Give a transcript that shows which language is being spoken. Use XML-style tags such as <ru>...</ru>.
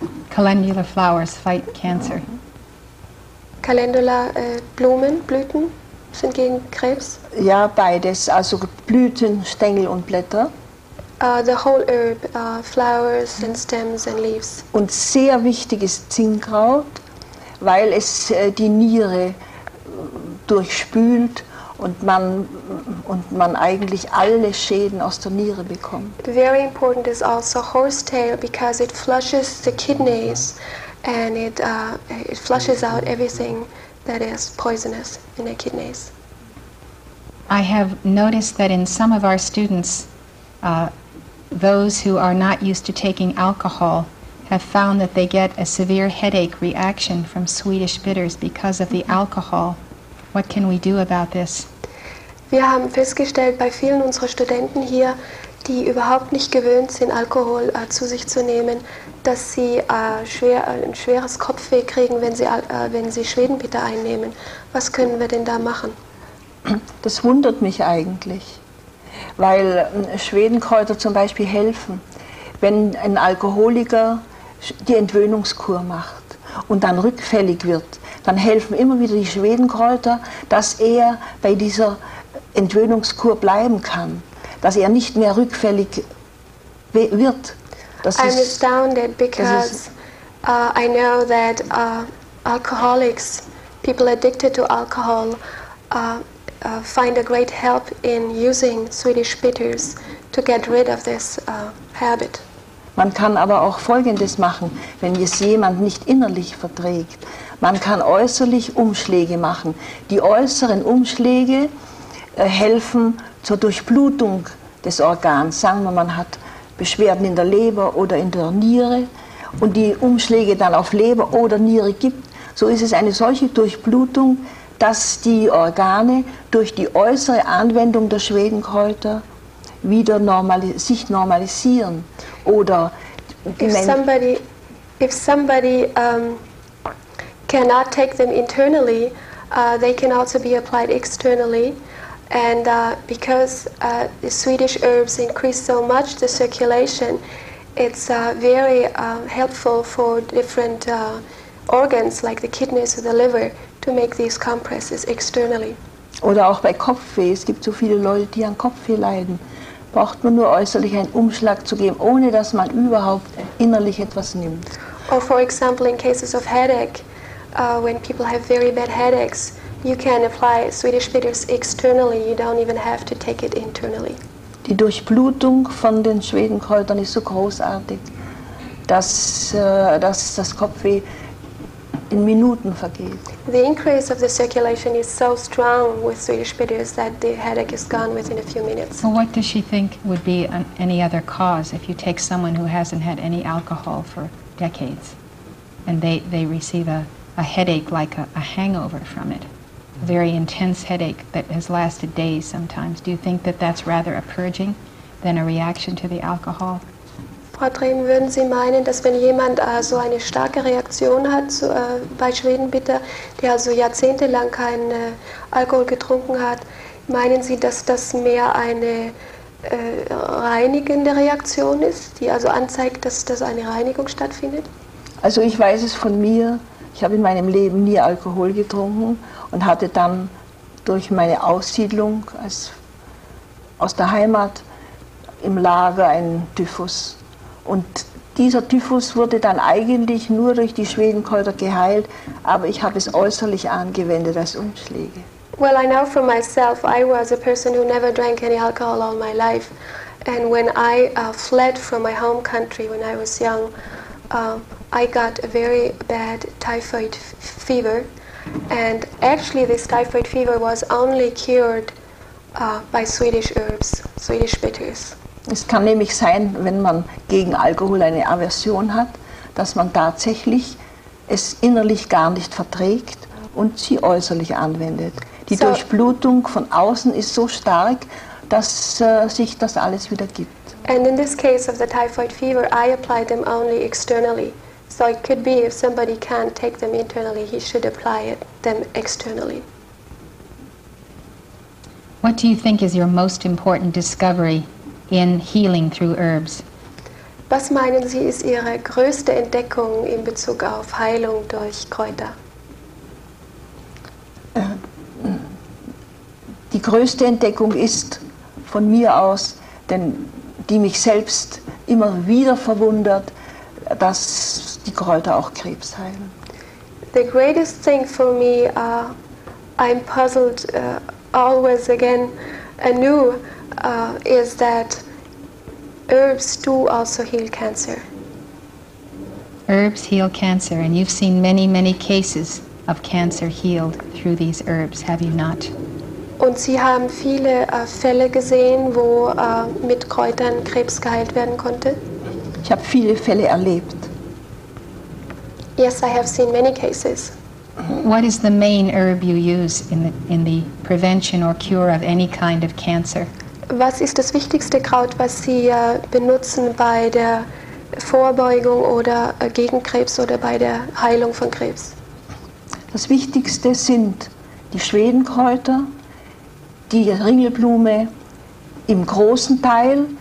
<en>Calendula flowers fight cancer.</en> <de>Calendula Blumen, Blüten sind gegen Krebs? Ja, beides, also Blüten, Stängel und Blätter.</de> <en>The whole herb, flowers and stems and leaves.</en> <de>Und sehr wichtig ist Zinnkraut, weil es die Niere durchspült und man eigentlich alle Schäden aus der Niere bekommt.</de> <en>Very important is also horsetail, because it flushes the kidneys and it flushes out everything that is poisonous in the kidneys. I have noticed that in some of our students, those who are not used to taking alcohol have found that they get a severe headache reaction from Swedish bitters because of the alcohol. What can we do about this?</en> <de>Wir haben festgestellt bei vielen unserer Studenten hier, die überhaupt nicht gewöhnt sind, Alkohol zu sich zu nehmen, dass sie ein schweres Kopfweh kriegen, wenn sie Schwedenbitter einnehmen. Was können wir denn da machen? Das wundert mich eigentlich, weil Schwedenkräuter zum Beispiel helfen, wenn ein Alkoholiker die Entwöhnungskur macht und dann rückfällig wird, dann helfen immer wieder die Schwedenkräuter, dass er bei dieser Entwöhnungskur bleiben kann, dass er nicht mehr rückfällig wird.</de> <en>I'm astounded because I know that alcoholics, people addicted to alcohol, find a great help in using Swedish bitters to get rid of this habit.</en> <de>Man kann aber auch Folgendes machen, wenn es jemand nicht innerlich verträgt. Man kann äußerlich Umschläge machen. Die äußeren Umschläge helfen zur Durchblutung des Organs. Sagen wir, man hat Beschwerden in der Leber oder in der Niere und die Umschläge dann auf Leber oder Niere gibt, so ist es eine solche Durchblutung, dass die Organe durch die äußere Anwendung der Schwedenkräuter wieder sich normalisieren. Oder</de> <en>if somebody cannot take them internally, they can also be applied externally. And because the Swedish herbs increase so much the circulation, it's very helpful for different organs like the kidneys or the liver to make these compresses externally.</en> <de>Oder auch bei Kopfweh. Es gibt so viele Leute, die an Kopfweh leiden. Braucht man nur äußerlich einen Umschlag zu geben, ohne dass man überhaupt innerlich etwas nimmt.</de> <en>Or for example, in cases of headache, when people have very bad headaches, you can apply Swedish bitters externally. You don't even have to take it internally.</en> <de>Die Durchblutung von den Schwedenkräutern ist so großartig, dass das Kopfweh in Minuten vergeht.</de> <en>The increase of the circulation is so strong with Swedish bitters that the headache is gone within a few minutes. Well, what does she think would be any other cause if you take someone who hasn't had any alcohol for decades and they receive a headache like a hangover from it, a very intense headache that has lasted days sometimes? Do you think that that's rather a purging than a reaction to the alcohol?</en> <de>Frau Trehm, würden Sie meinen, dass wenn jemand so eine starke Reaktion hat bei Schwedenbitter, der also jahrzehntelang keinen Alkohol getrunken hat, meinen Sie, dass das mehr eine reinigende Reaktion ist, die also anzeigt, dass das eine Reinigung stattfindet? Also ich weiß es von mir, ich habe in meinem Leben nie Alkohol getrunken und hatte dann durch meine Aussiedlung aus der Heimat im Lager einen Typhus. Und dieser Typhus wurde dann eigentlich nur durch die Schwedenkräuter geheilt, aber ich habe es äußerlich angewendet als Umschläge.</de> <en>Well, I know for myself, I was a person who never drank any alcohol all my life. And when I fled from my home country when I was young, I got a very bad typhoid fever. And actually this typhoid fever was only cured by Swedish herbs, Swedish bitters.</en> <de>Es kann nämlich sein, wenn man gegen Alkohol eine Aversion hat, dass man tatsächlich es innerlich gar nicht verträgt und sie äußerlich anwendet. Die Durchblutung von außen ist so stark, dass sich das alles wieder gibt.</de> <en>And in this case of the typhoid fever, I apply them only externally. So it could be if somebody can't take them internally, he should apply them externally. What do you think is your most important discovery in healing through herbs?</en> <de>Was meinen Sie ist Ihre größte Entdeckung in Bezug auf Heilung durch Kräuter? Die größte Entdeckung ist von mir aus, denn die mich selbst immer wieder verwundert, dass die Kräuter auch Krebs heilen.</de> <en>The greatest thing for me, I'm puzzled always again anew, is that herbs do also heal cancer. Herbs heal cancer, and you've seen many, many cases of cancer healed through these herbs, have you not?</en> <de>Und Sie haben viele Fälle gesehen, wo mit Kräutern Krebs geheilt werden konnte? Ich habe viele Fälle erlebt.</de> <en>Yes, I have seen many cases. What is the main herb you use in the prevention or cure of any kind of cancer?</en> <de>Was ist das wichtigste Kraut, was Sie benutzen bei der Vorbeugung oder gegen Krebs oder bei der Heilung von Krebs? Das Wichtigste sind die Schwedenkräuter, die Ringelblume im großen Teil.</de>